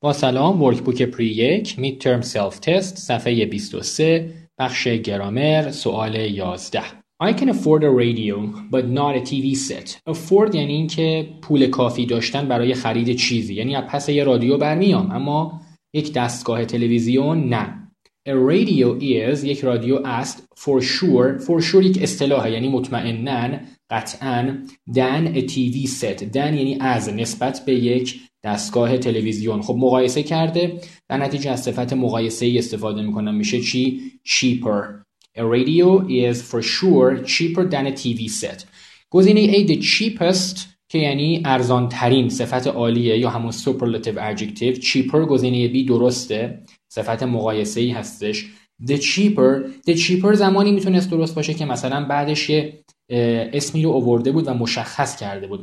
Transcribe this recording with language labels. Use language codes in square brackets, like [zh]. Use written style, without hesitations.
[fa] با سلام، ورکبوک پری 1 مید ترم سلف تست صفحه 23 بخش گرامر سوال 11. [en] I can afford a radio but not a TV set. [fa] Afford یعنی این که پول کافی داشتن برای خرید چیزی، یعنی از پس یه رادیو برمیام اما یک دستگاه تلویزیون نه. [en] A radio is [fa] یک رادیو است. For sure، for sure یک اصطلاحه یعنی مطمئنن، قطعاً. [en] Than a TV set، [fa] than یعنی از، نسبت به یک دستگاه تلویزیون. خب مقایسه کرده، در نتیجه از صفت مقایسه ای استفاده میکنم، میشه چی؟ cheaper. [en] A radio is for sure cheaper than a TV set. [fa] گزینه A the cheapest که یعنی ارزان ترین، صفت عالیه یا همون superlative adjective. cheaper گزینه B درسته، صفت مقایسه ای هستش. The cheaper زمانی میتونست درست باشه که مثلا بعدش یه اسمی رو آورده بود و مشخص کرده بود.